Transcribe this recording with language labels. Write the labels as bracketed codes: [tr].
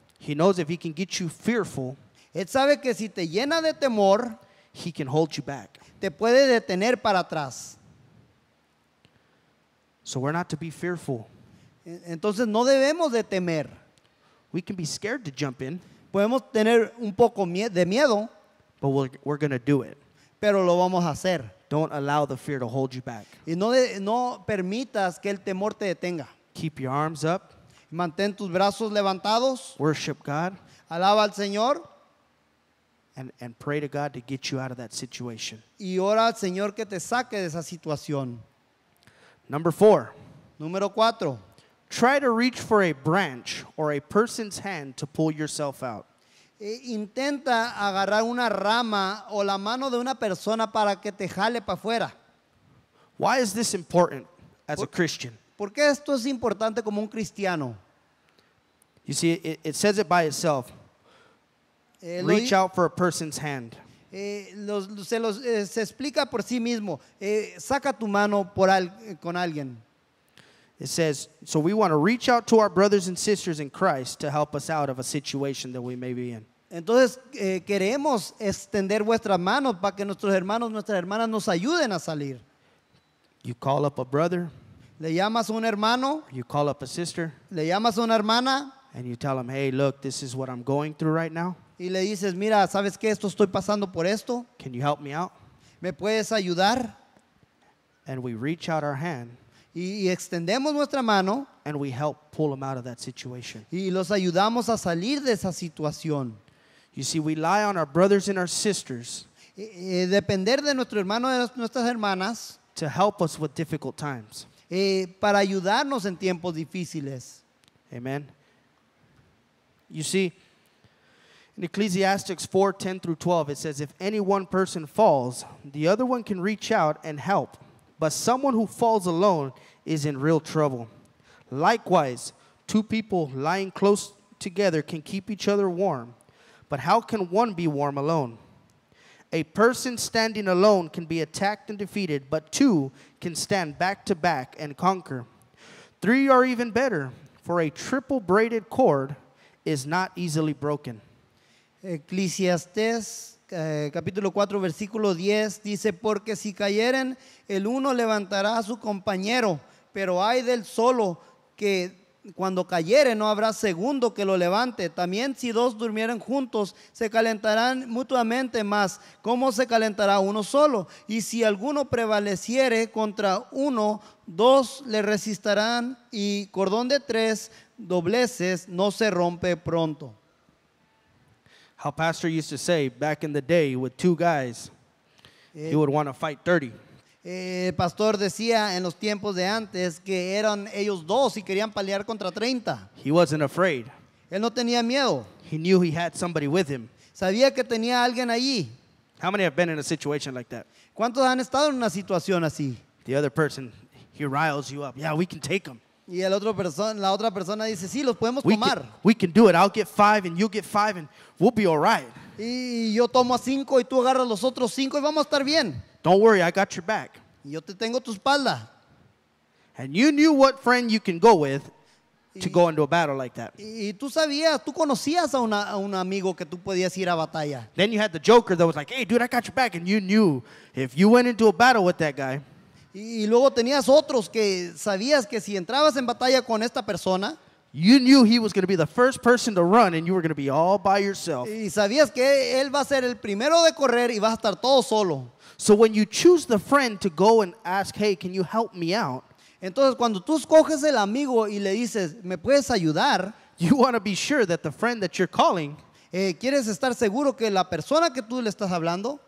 [en] He knows if he can get you fearful. [es] Él sabe que si te llena de temor. [en] He can hold you back. [es] Te puede detener para atrás. [en] So we're not to be fearful. [es] Entonces no debemos de temer. [en] We can be scared to jump in. [es] Podemos tener un poco de miedo. [en] But we're going to do it. [es] Pero lo vamos a hacer. [en] Don't allow the fear to hold you back. [es] Y no permitas que el temor te detenga. [en] Keep your arms up. [es] Mantén tus brazos levantados. [en] Worship God. [es] Alaba al Señor. [en] And pray to God to get you out of that situation. [es] Y ora al Señor que te saque de esa situación. [en] Number four. [es] Número cuatro. [en] Try to reach for a branch or a person's hand to pull yourself out. [es] Intenta agarrar una rama o la mano de una persona para que te jale para afuera. [en] Why is this important as a Christian? [es] ¿Por qué esto es importante como un cristiano? [en] You see, it says it by itself. Reach out for a person's hand. [es] Se explica por sí mismo. Saca tu mano por con alguien. [en] It says, so we want to reach out to our brothers and sisters in Christ to help us out of a situation that we may be in. [es] Entonces, queremos extender vuestras manos para que nuestros hermanos, nuestras hermanas nos ayuden a salir. [en] You call up a brother. [es] Le llamas un hermano. [en] You call up a sister. [es] Le llamas una hermana. [en] And you tell them, hey, look, this is what I'm going through right now. [es] Y le dices, mira, ¿sabes qué? Esto estoy pasando por esto. [en] Can you help me out? [es] ¿Me puedes ayudar? [en] And we reach out our hand. [es] Y extendemos nuestra mano. [en] And we help pull them out of that situation. [es] Y los ayudamos a salir de esa situación. [en] You see, we lie on our brothers and our sisters. [es] Depender de nuestro hermano y nuestras hermanas. [en] To help us with difficult times. [es] Para ayudarnos en tiempos difíciles. [en] Amen. You see, in Ecclesiastes 4:10-12, it says, if any one person falls, the other one can reach out and help. But someone who falls alone is in real trouble. Likewise, two people lying close together can keep each other warm. But how can one be warm alone? A person standing alone can be attacked and defeated, but two can stand back to back and conquer. Three are even better, for a triple braided cord is not easily broken. [es] Ecclesiastes, capítulo 4, versículo 10, dice, porque si cayeren, el uno levantará a su compañero, pero hay del solo que cuando cayere no habrá segundo que lo levante. También si dos durmieren juntos, se calentarán mutuamente más. ¿Cómo se calentará uno solo? Y si alguno prevaleciere contra uno, dos le resistirán y cordón de tres dobleces no se rompe pronto. [en] How pastor used to say back in the day with two guys, you would want to fight 30. [es] Pastor decía en los tiempos de antes que eran ellos dos y querían pelear contra 30. [en] He wasn't afraid. [es] Él no tenía miedo. [en] He knew he had somebody with him. [es] Sabía que tenía alguien allí. [en] How many have been in a situation like that? [es] ¿Cuántos han estado en una situación así? [en] The other person, he riles you up. Yeah, we can take them. [es] Y el otro persona, la otra persona dice, sí, los podemos tomar. [en] We can do it. I'll get five and you'll get five and we'll be all right. [es] Y yo tomo a cinco y tú agarras los otros cinco y vamos a estar bien. [en] Don't worry, I got your back. [es] Yo te tengo tu espalda. [en] And you knew what friend you can go with to go into a battle like that. [es] Y tú sabías, tú conocías a un amigo que tú podías ir a batalla. [en] Then you had the joker that was like, hey, dude, I got your back. And you knew if you went into a battle with that guy, [es] y luego tenías otros que sabías que si entrabas en batalla con esta persona, [en] you knew he was going to be the first person to run and you were going to be all by yourself. [es] Y sabías que él va a ser el primero de correr y va a estar todo solo. [en] So when you choose the friend to go and ask, hey, can you help me out? [es] Entonces cuando tú escoges el amigo y le dices, ¿me puedes ayudar? [en] You want to be sure that the friend that you're calling, [es] ¿quieres estar seguro que la persona que tú le estás hablando,